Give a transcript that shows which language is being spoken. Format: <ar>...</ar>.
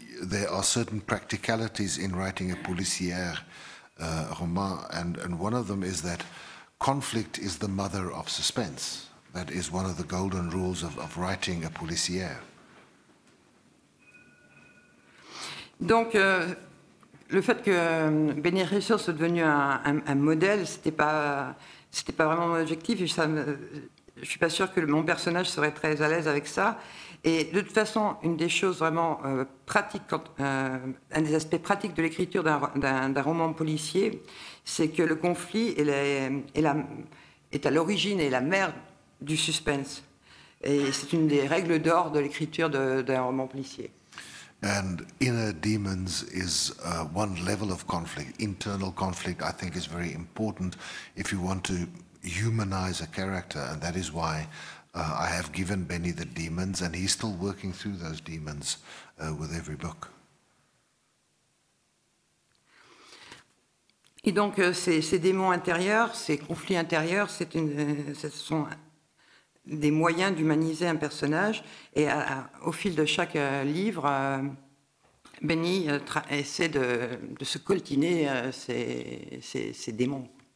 <en>There are certain practicalities in writing a policière roman, and one of them is that conflict is the mother of suspense. That is one of the golden rules of writing a policière.</en> <fr>Donc, le fait que Benny Chrysal soit devenu un modèle, c'était pas vraiment mon objectif. Je suis pas sûre que mon personnage serait très à l'aise avec ça. Et de toute façon, une des choses vraiment pratiques, un des aspects pratiques de l'écriture d'un roman policier, c'est que le conflit est à l'origine et la mère du suspense, et c'est une des règles d'or de l'écriture d'un roman policier.</fr> <en>And inner demons is one level of conflict. Internal conflict, I think, is very important if you want to humanize a character, and that is why I have given Benny the demons, and he's still working through those demons with every book.</en> <fr>Et donc ces démons intérieurs, ces conflits intérieurs, ce sont des moyens d'humaniser un personnage, et au fil de chaque livre, Benny essaie de se coltiner ses démons.</fr>